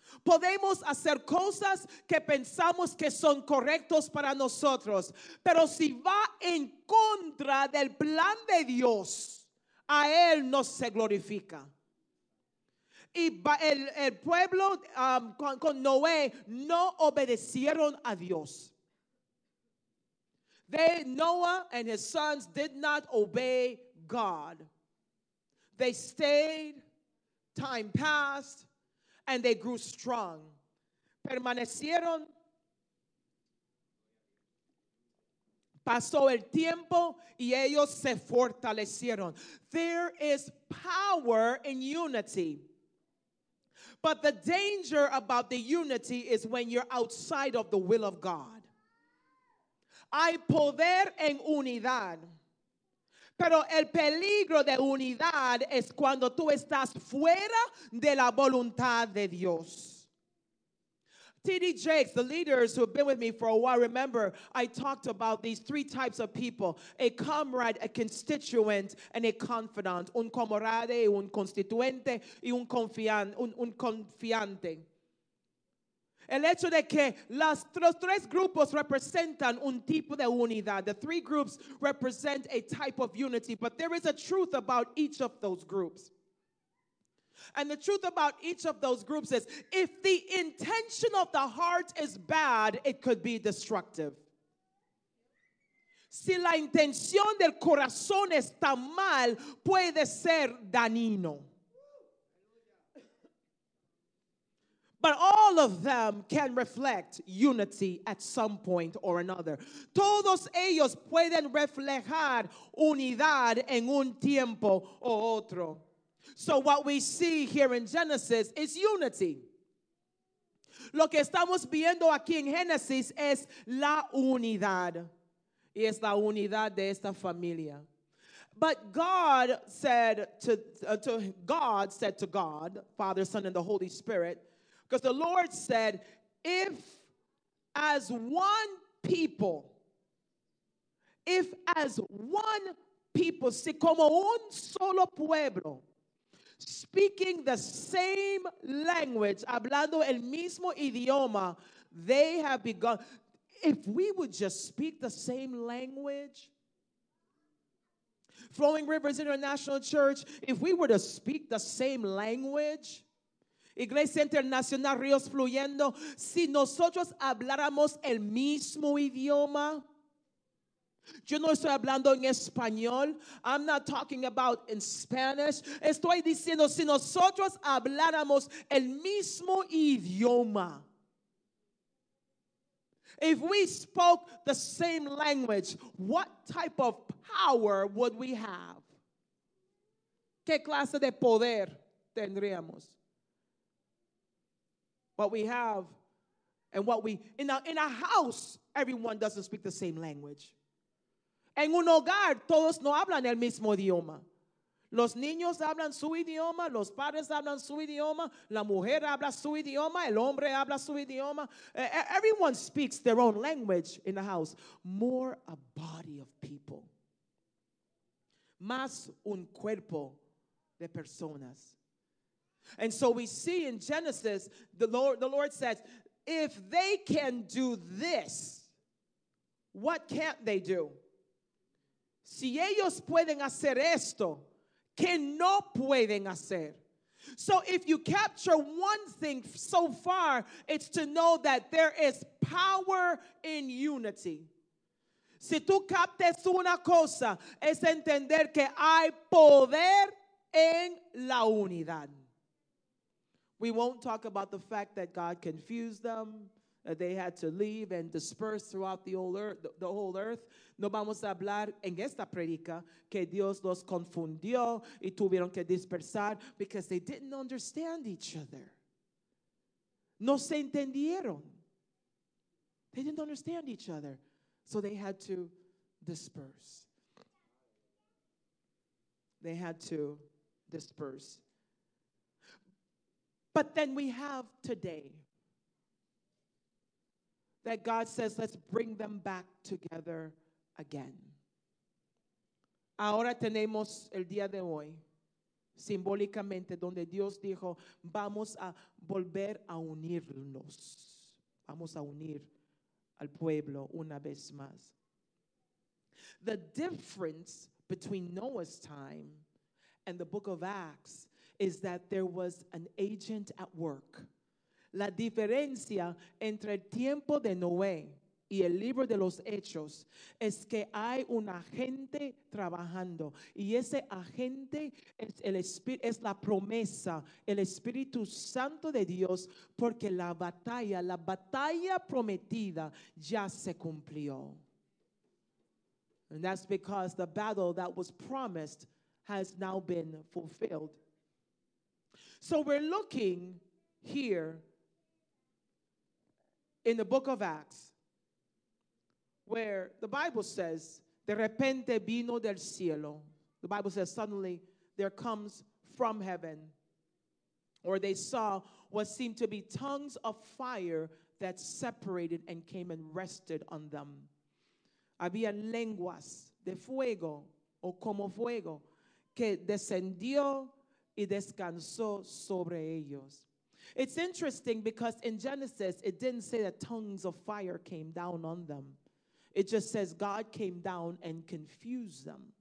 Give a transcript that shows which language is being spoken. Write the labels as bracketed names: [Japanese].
[Spanish] Podemos hacer cosas que pensamos que son correctos para nosotros. Pero si va en contra del plan de Dios, a él no se glorifica. Y el pueblo con Noé no obedecieron a Dios. [English] Noah and his sons did not obey God. They stayed, time passed, and they grew strong. [Spanish] Permanecieron. Pasó el tiempo y ellos se fortalecieron. [English] There is power in unity. But the danger about the unity is when you're outside of the will of God. [Spanish] Hay poder en unidad. Pero el peligro de unidad es cuando tú estás fuera de la voluntad de Dios. [English] T.D. Jakes, the leaders who have been with me for a while, remember I talked about these three types of people: a comrade, a constituent, and a confidant. [Spanish] Un comrade, un constituente, y un confiante. El hecho de que los tres grupos representan un tipo de unidad. [English] The three groups represent a type of unity, but there is a truth about each of those groups. And the truth about each of those groups is, if the intention of the heart is bad, it could be destructive. [Spanish] Si la intención del corazón está mal, puede ser dañino. [English] But all of them can reflect unity at some point or another. [Spanish] Todos ellos pueden reflejar unidad en un tiempo o otro. [English] So what we see here in Genesis is unity. [Spanish] Lo que estamos viendo aquí en Génesis es la unidad. Y es la unidad de esta familia. [English] But God said to God, Father, Son, and the Holy Spirit, because the Lord said, if as one people, [Spanish] si como un solo pueblo, [English] speaking the same language, [Spanish] hablando el mismo idioma, [English] they have begun. If we would just speak the same language, Flowing Rivers International Church, if we were to speak the same language, [Spanish] Iglesia Internacional Ríos Fluyendo, si nosotros habláramos el mismo idioma, yo no estoy hablando en español, [English] I'm not talking about in Spanish, [Spanish] estoy diciendo si nosotros habláramos el mismo idioma, [English] if we spoke the same language, what type of power would we have? [Spanish] ¿Qué clase de poder tendríamos? [English] What we have and what we, in a house, everyone doesn't speak the same language. [Spanish] En un hogar, todos no hablan el mismo idioma. Los niños hablan su idioma, los padres hablan su idioma, la mujer habla su idioma, el hombre habla su idioma. [English] Everyone speaks their own language in the house. More a body of people. [Spanish] Más un cuerpo de personas. [English] And so we see in Genesis, the Lord says, if they can do this, what can't they do? [Spanish] Si ellos pueden hacer esto, que no pueden hacer. [English] So if you capture one thing so far, it's to know that there is power in unity. [Spanish] Si tú captas una cosa, es entender que hay poder en la unidad. [English] We won't talk about the fact that God confused them, that they had to leave and disperse throughout the whole earth. [Spanish] No vamos a hablar en esta predica que Dios los confundió y tuvieron que dispersar [English] because they didn't understand each other. [Spanish] No se entendieron. [English] They didn't understand each other. So they had to disperse. They had to disperse. But then we have today that God says, let's bring them back together again. [Spanish] Ahora tenemos el día de hoy, simbólicamente, donde Dios dijo, vamos a volver a unirnos. Vamos a unir al pueblo una vez más. [English] The difference between Noah's time and the book of Acts is that there was an agent at work. [Spanish] La diferencia entre el tiempo de Noé y el libro de los Hechos es que hay un agente trabajando, y ese agente es el espíritu, es la promesa, el Espíritu Santo de Dios, porque la batalla prometida ya se cumplió. [English] And that's because the battle that was promised has now been fulfilled. So we're looking here in the book of Acts, where the Bible says, [Spanish] de repente vino del cielo. [English] The Bible says, suddenly there comes from heaven, or they saw what seemed to be tongues of fire that separated and came and rested on them. [Spanish] Había lenguas de fuego, o como fuego, que descendió y descansó sobre ellos. [English] It's interesting because in Genesis, it didn't say that tongues of fire came down on them. It just says God came down and confused them.